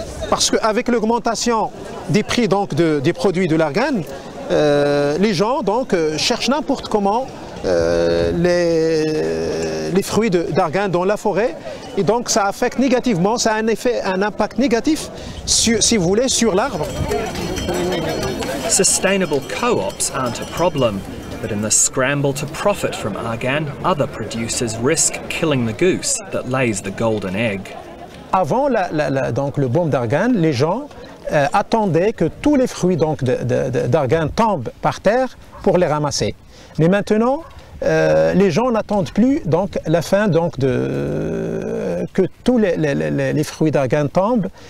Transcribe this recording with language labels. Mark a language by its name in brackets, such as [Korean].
[French] Parce qu'avec l'augmentation des prix donc des produits de l'argan, les gens donc cherchent n'importe comment les fruits d'argan dans la forêt. Et donc ça affecte négativement, ça a un effet, un impact négatif, si vous voulez, sur l'arbre. [English] Sustainable co-ops aren't a problem. But in the scramble to profit from argan, other producers risk killing the goose that lays the golden egg. [French] Avant le boom d'argan, les gens attendaient que tous les fruits donc d'argan tombent par terre pour les ramasser. Mais maintenant, les gens n'attendent plus donc la fin donc de que tous les fruits d'argan tombent.